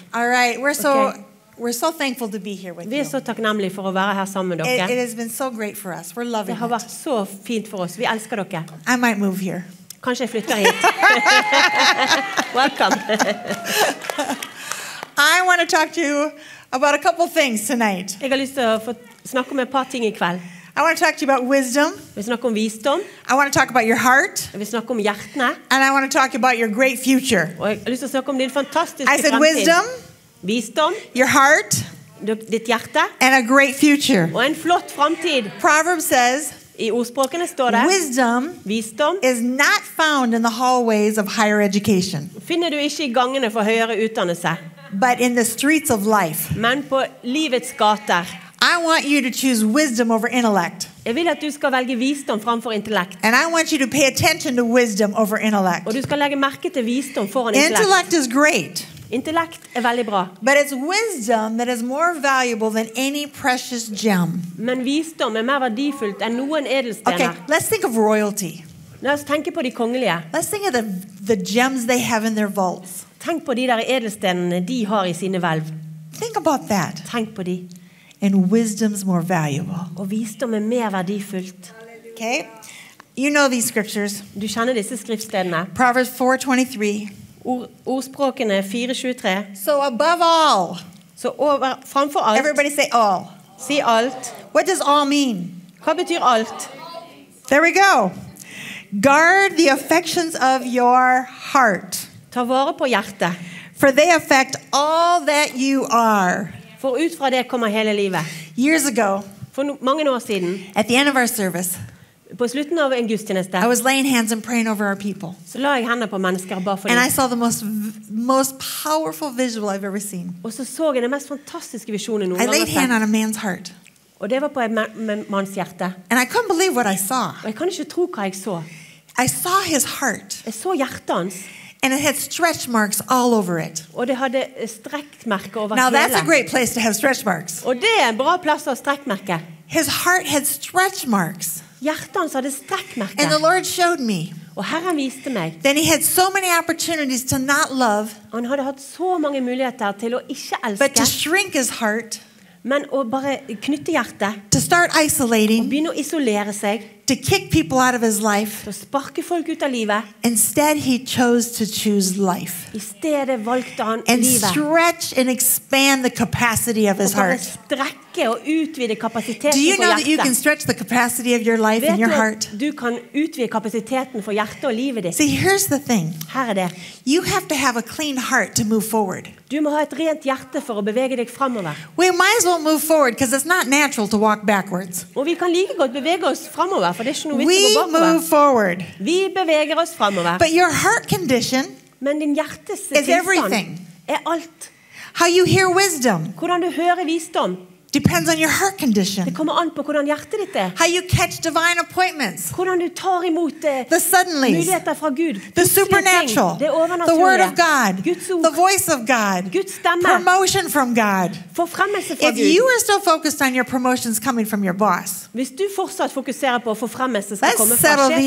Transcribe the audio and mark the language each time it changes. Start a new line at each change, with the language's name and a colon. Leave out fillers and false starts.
English: All right, we're so thankful to be here with you.
Norwegian: Vi er så takknemlige for å være her sammen med dere.
English: It has been so great for us. We're loving it.
Norwegian: Det har vært så fint for oss. Vi elsker dere.
English: I might move here.
Norwegian: Kanskje jeg flytter hit.
English: Welcome. I want to talk to you about a couple things tonight.
Norwegian: Jeg har lyst til å få snakke om et par ting i kveld.
English: I want to talk to you about wisdom.
Norwegian: Vi snakker om visdom.
English: I want to talk about your heart.
Norwegian: Vi snakker om hjertene.
English: And I want to talk about your great future.
Norwegian: Og jeg har lyst til å snakke om din fantastiske fremtid.
English: I said wisdom.
Norwegian: Visdom.
English: Your heart.
Norwegian: Ditt hjerte.
English: And a great future.
Norwegian: Og en flott fremtid.
English: Proverbs says,
Norwegian: i ordspråkene står det,
English: wisdom is not found in the hallways of higher education.
Norwegian: Finner du ikke i gangene for høyere utdannelse.
English: But in the streets of life.
Norwegian: Men på livets gater.
English: I want you to choose wisdom over intellect.
Norwegian: Jeg vil at du skal velge visdom framfor intellekt.
English: And I want you to pay attention to wisdom over intellect.
Norwegian: Og du skal legge merke til visdom foran intellekt.
English: Intellect is great.
Norwegian: Intellekt er veldig bra.
English: But it's wisdom that is more valuable than any precious gem.
Norwegian: Men visdom er mer verdifullt enn noen edelstener.
English: Okay, let's think of royalty.
Norwegian: La oss tenke på de kongelige.
English: Let's think of the gems they have in their vaults.
Norwegian: Tenk på de der edelstenene de har i sine hvelv.
English: Think about that.
Norwegian: Tenk på de.
English: And wisdom's more valuable.
Norwegian: Og visdom er mer verdifullt.
English: Okay? You know these scriptures.
Norwegian: Du kjenner disse skriftstedene.
English: Proverbs 4:23.
Norwegian: Ordspråkene 4:23.
English: So above all.
Norwegian: Så over, framfor alt.
English: Everybody say all.
Norwegian: Si alt.
English: What does all mean?
Norwegian: Hva betyr alt?
English: There we go. Guard the affections of your heart.
Norwegian: Ta vare på hjertet.
English: For they affect all that you are.
Norwegian: For ut fra det kommer hele livet.
English: Years ago,
Norwegian: for mange år siden,
English: at the end of our service,
Norwegian: på slutten av en gudstjeneste,
English: I was laying hands and praying over our people.
Norwegian: Så la jeg hendene på mennesker bare for dem.
English: And I saw the most powerful visual I've ever seen.
Norwegian: Og så så jeg den mest fantastiske visjonen noen gang.
English: I laid hand on a man's heart.
Norwegian: Og det var på en manns hjerte.
English: And I couldn't believe what I saw.
Norwegian: Og jeg kan ikke tro hva jeg så.
English: I saw his heart.
Norwegian: Jeg så hjertet hans.
English: And it had stretch marks all over it.
Norwegian: Og det hadde strekkmerker over hele.
English: Now that's a great place to have stretch marks.
Norwegian: Og det er en bra plass å ha strekkmerker.
English: His heart had stretch marks.
Norwegian: Hjertet hans hadde strekkmerker.
English: And the Lord showed me.
Norwegian: Og Herren viste meg.
English: Then he had so many opportunities to not love.
Norwegian: Han hadde hatt så mange muligheter til å ikke elske.
English: But to shrink his heart.
Norwegian: Men å bare knytte hjertet.
English: To start isolating.
Norwegian: Og begynne å isolere seg.
English: To kick people out of his life.
Norwegian: Til å sparke folk ut av livet.
English: Instead he chose to choose life.
Norwegian: I stedet valgte han livet.
English: And stretch and expand the capacity of his heart.
Norwegian: Og bare strekke og utvide kapasiteten på hjertet.
English: Do you know that you can stretch the capacity of your life and your heart?
Norwegian: Vet du at du kan utvide kapasiteten for hjertet og livet ditt?
English: See, here's the thing.
Norwegian: Her det.
English: You have to have a clean heart to move forward.
Norwegian: Du må ha et rent hjerte for å bevege deg fremover.
English: We might as well move forward because it's not natural to walk backwards.
Norwegian: Og vi kan like godt bevege oss fremover, for det er ikke noe vits å gå bakover.
English: We move forward.
Norwegian: Vi beveger oss fremover.
English: But your heart condition is everything.
Norwegian: Er alt.
English: How you hear wisdom.
Norwegian: Hvordan du hører visdom.
English: Depends on your heart condition.
Norwegian: Det kommer an på hvordan hjertet ditt er.
English: How you catch divine appointments.
Norwegian: Hvordan du tar imot
English: the suddenly.
Norwegian: Muligheter fra Gud.
English: The supernatural.
Norwegian: Det overnaturlige.
English: The word of God.
Norwegian: Guds ord.
English: The voice of God.
Norwegian: Guds stemme.
English: Promotion from God.
Norwegian: Forfremmelse fra Gud.
English: If you are still focused on your promotions coming from your boss.
Norwegian: Hvis du fortsatt fokuserer på forfremmelse som kommer fra sjefen din.